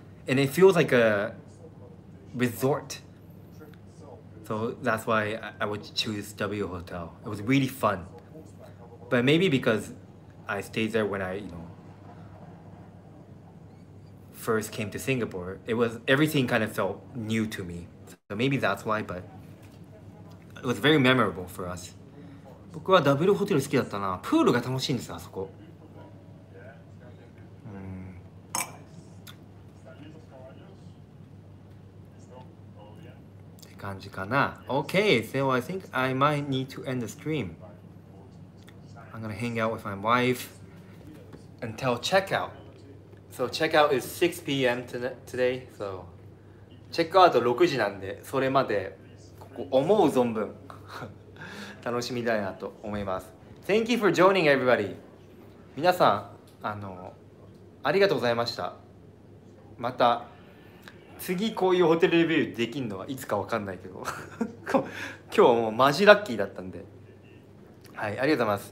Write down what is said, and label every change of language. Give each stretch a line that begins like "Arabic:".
English: And it feels like a resort. So that's why I would choose W Hotel. It was really fun. But maybe because I stayed there when I, you know, first came to Singapore, everything kind of felt new to me. So maybe that's why, but it was very memorable for us.
Japanese: 僕はダブルホテル好きだったな。プールが楽しいんですよ、あそこ。って感じかな。
English: OK! So I think I might need to end the stream. I'm gonna hang out with my wife until checkout. So checkout is 6 PM today. So
Japanese: チェックアウト6時なんで、それまでここ思う存分。楽しみだなと思います。
English: Thank you for joining everybody.
Japanese: 皆さん、ありがとうございました。また、次こういうホテルレビューできるのはいつかわかんないけど、今日もうマジラッキーだったんで。はい、ありがとうございます。